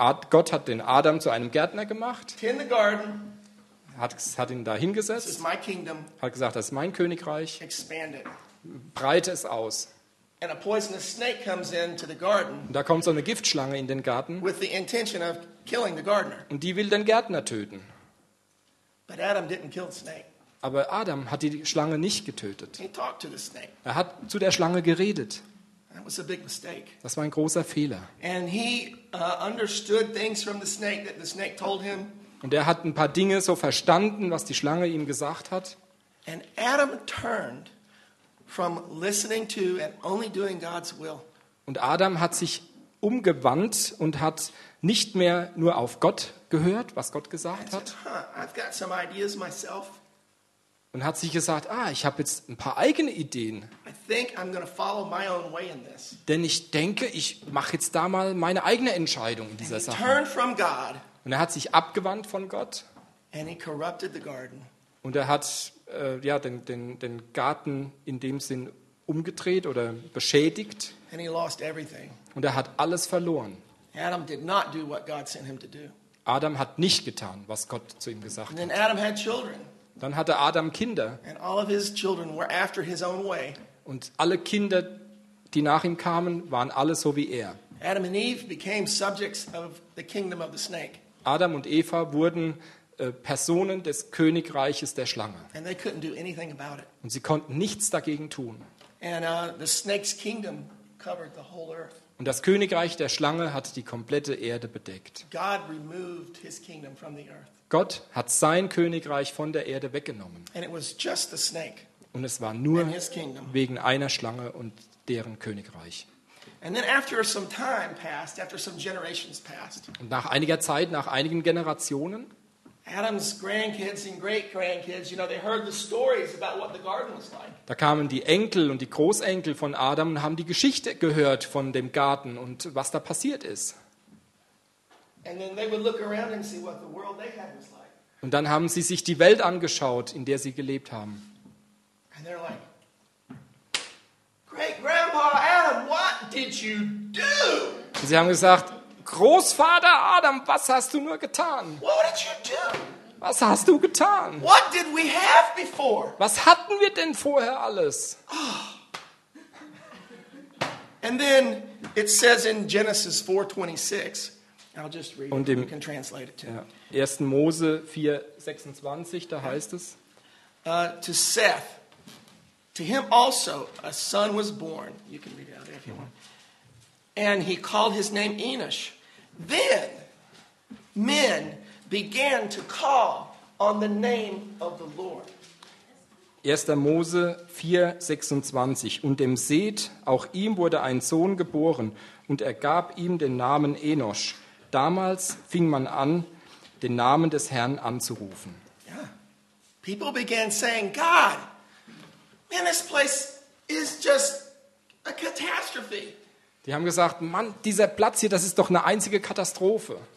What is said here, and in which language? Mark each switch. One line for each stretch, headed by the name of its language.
German: Gott hat den Adam zu einem Gärtner gemacht.
English: In the garden.
German: Hat ihn da hingesetzt.
English: This is my kingdom.
German: Hat gesagt, das ist mein Königreich.
English: Expand it.
German: Breite es aus.
English: And a poisonous snake comes into the garden.
German: Und da kommt so eine Giftschlange in den Garten.
English: With the intention of killing the gardener.
German: Und die will den Gärtner töten.
English: But Adam didn't kill the snake.
German: Aber Adam hat die Schlange nicht getötet.
English: He talked to the snake.
German: Er hat zu der Schlange geredet.
English: That was a big mistake.
German: Das war ein großer Fehler.
English: And he understood things from the snake that the snake told him.
German: Und er hat ein paar Dinge so verstanden, was die Schlange ihm gesagt hat.
English: And Adam turned from listening to and only doing God's will.
German: Und Adam hat sich umgewandt und hat nicht mehr nur auf Gott gehört, was Gott gesagt hat.
English: I've got some ideas myself.
German: Und hat sich gesagt, ich habe jetzt ein paar eigene Ideen.
English: I think I'm gonna follow my own way in this.
German: Denn ich denke, ich mache jetzt da mal meine eigene Entscheidung in dieser Sache.
English: Turned from God.
German: Und er hat sich abgewandt von Gott.
English: And he corrupted the garden.
German: Und er hat den Garten in dem Sinn umgedreht oder beschädigt.
English: And he lost everything.
German: Und er hat alles verloren.
English: Adam did not do what God sent him to do.
German: Adam hat nicht getan, was Gott zu ihm gesagt hat.
English: Adam had children.
German: Dann hatte Adam Kinder.
English: And all of his children were after his own way.
German: Und alle Kinder, die nach ihm kamen, waren alle so wie er.
English: Adam and Eve became subjects of the kingdom of the snake.
German: Adam und Eva wurden Personen des Königreiches der Schlange.
English: And they couldn't do anything about it.
German: Und sie konnten nichts dagegen tun.
English: And the snake's kingdom covered the whole earth.
German: Und das Königreich der Schlange hat die komplette Erde bedeckt.
English: God removed his kingdom from the earth.
German: Gott hat sein Königreich von der Erde weggenommen.
English: And it was just the snake.
German: Und es war nur wegen einer Schlange und deren Königreich.
English: And then after some time passed, after some generations passed.
German: Und nach einiger Zeit, nach einigen Generationen,
English: Adam's grandkids and great-grandkids, you know, they heard the stories about what the garden was like.
German: Da kamen die Enkel und die Großenkel von Adam und haben die Geschichte gehört von dem Garten und was da passiert ist.
English: And then they would look around and see what the world they had was like.
German: Und dann haben sie sich die Welt angeschaut, in der sie gelebt haben.
English: And they're like, "Great Grandpa Adam, what did you do?"
German: Und sie haben gesagt, Großvater Adam, was hast du nur getan?
English: What did you do?
German: Was hast du getan?
English: What did we have before?
German: Was hatten wir denn vorher alles?
English: And then it says in Genesis 4:26. I'll just read
German: und
English: it. You can translate it to.
German: 1. Mose 4:26, da heißt es.
English: To Seth, to him also a son was born. You can read it out there if you want. And he called his name Enosh. Then men began to call on the name of the Lord.
German: 1. Mose 4:26 und dem Seth, auch ihm wurde ein Sohn geboren und er gab ihm den Namen Enosh. Damals fing man an, den Namen des Herrn anzurufen.
English: People began saying, God, man, this place is just a catastrophe.
German: Die haben gesagt, Mann, dieser Platz hier, das ist doch eine einzige Katastrophe.